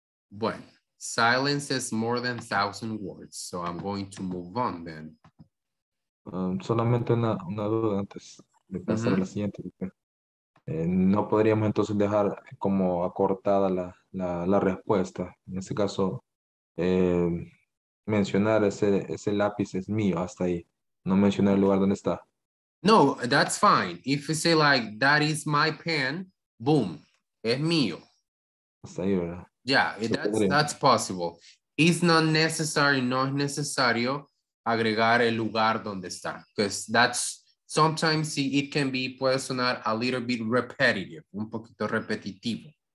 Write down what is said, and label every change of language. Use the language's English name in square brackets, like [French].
[English] Bueno, silence is more than 1,000 words, so I'm going to move on then. [Spanish] Solamente una duda antes de pasar a la siguiente. No podríamos entonces dejar como acortada la respuesta. En este caso, mencionar ese lápiz es mío hasta ahí. No mencionar el lugar donde está. [English] No, that's fine. If you say like, that is my pen, boom, [Spanish] es mío. Hasta ahí, ¿verdad? [English] Yeah, that's possible. It's not necessary, [Spanish] no es necesario agregar el lugar donde está. [English] Because that's, sometimes it can be, [Spanish] puede sonar [English] a little bit repetitive, [Spanish] un poquito repetitivo.